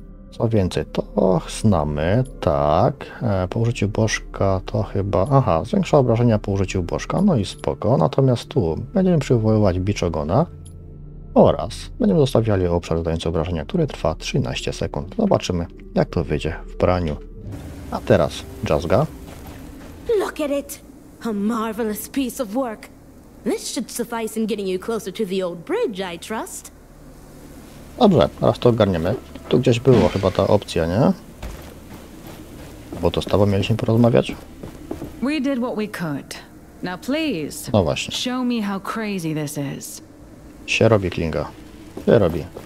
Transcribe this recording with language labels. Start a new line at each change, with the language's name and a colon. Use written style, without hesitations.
Polish: Co więcej, to znamy, tak, po użyciu bożka to chyba, aha, zwiększa obrażenia po użyciu bożka, no i spoko, natomiast tu będziemy przywoływać bicz ogona oraz będziemy zostawiali obszar zadający obrażenia, który trwa 13 sekund. Zobaczymy, jak to wyjdzie w praniu. A teraz Jazga.
English: Look at it! A marvelous piece of work! This should suffice in getting you closer to the old bridge, I trust.
Polish: Dobrze, teraz to ogarniemy. Tu gdzieś było chyba ta opcja, nie? Bo to z tobą mieliśmy porozmawiać.
English: We did what we could. Now please.
Polish: No właśnie.
English: Show me how crazy this is.
Polish: Się robi, Klinga. Się robi.